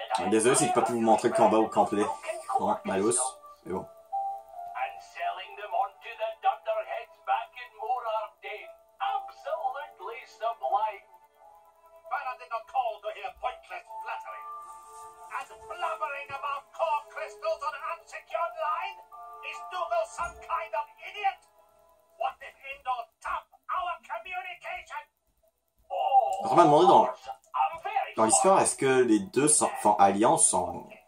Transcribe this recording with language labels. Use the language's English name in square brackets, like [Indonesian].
[French] Désolé si j'ai pas pu vous montrer le combat au complet. Malos, mais bon. [English] And selling them on to the Dunderheads back in Morardane. Absolutely sublime. Baron did not call to hear pointless flattery. And blubbering about core crystals on an unsecured line? Is Dougal some kind of idiot? What if Indor tap our communication? Oh, I'm very [French] dans l'histoire, est-ce que les deux font alliance en.